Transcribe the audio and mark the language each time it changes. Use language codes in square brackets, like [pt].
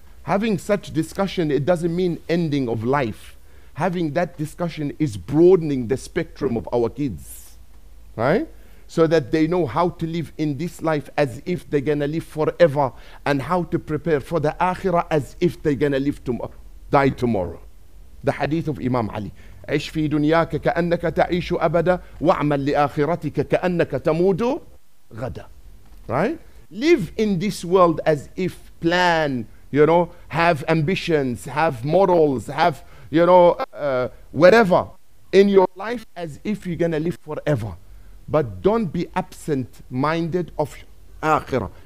[en] Having such discussion, it doesn't mean ending of life. Having that discussion is broadening the spectrum of our kids, right? So that they know how to live in this life as if they're gonna live forever, and how to prepare for the akhirah as if they're gonna live die tomorrow. The hadith of Imam Ali: [ar] عش في دنياك كأنك تعيش أبدا وعمل لآخرتك كأنك تموت غدا. [en] Right? Live in this world as if plan, you know, have ambitions, have morals, have, you know, whatever in your life as if you're gonna live forever. But don't be absent-minded of akhirah.